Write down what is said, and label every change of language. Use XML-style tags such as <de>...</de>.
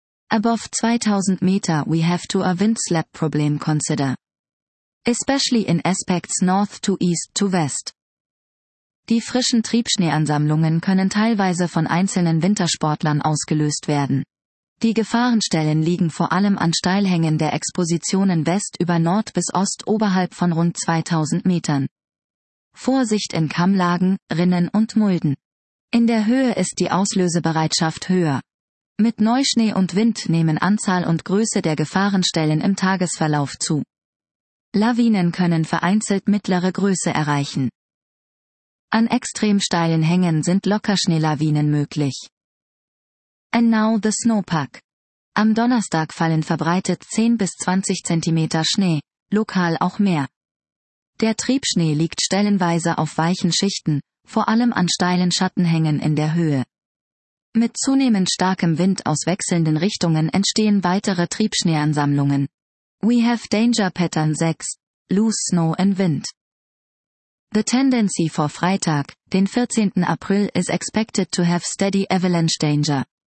<en>Above 2000 Meter we have to a wind slap problem consider. Especially in aspects north to east to west.</en> <de>Die frischen Triebschneeansammlungen können teilweise von einzelnen Wintersportlern ausgelöst werden. Die Gefahrenstellen liegen vor allem an Steilhängen der Expositionen west über Nord bis Ost oberhalb von rund 2000 Metern. Vorsicht in Kammlagen, Rinnen und Mulden. In der Höhe ist die Auslösebereitschaft höher. Mit Neuschnee und Wind nehmen Anzahl und Größe der Gefahrenstellen im Tagesverlauf zu. Lawinen können vereinzelt mittlere Größe erreichen. An extrem steilen Hängen sind Lockerschneelawinen möglich.</de> <en>And now the snowpack.</en> <de>Am Donnerstag fallen verbreitet 10 bis 20 cm Schnee, lokal auch mehr. Der Triebschnee liegt stellenweise auf weichen Schichten, vor allem an steilen Schattenhängen in der Höhe. Mit zunehmend starkem Wind aus wechselnden Richtungen entstehen weitere Triebschneeansammlungen.</de> <en>We have danger pattern 6, loose snow and wind. The tendency for</en> <de>Freitag, den 14. April,</de> <en>is expected to have steady avalanche danger.</en>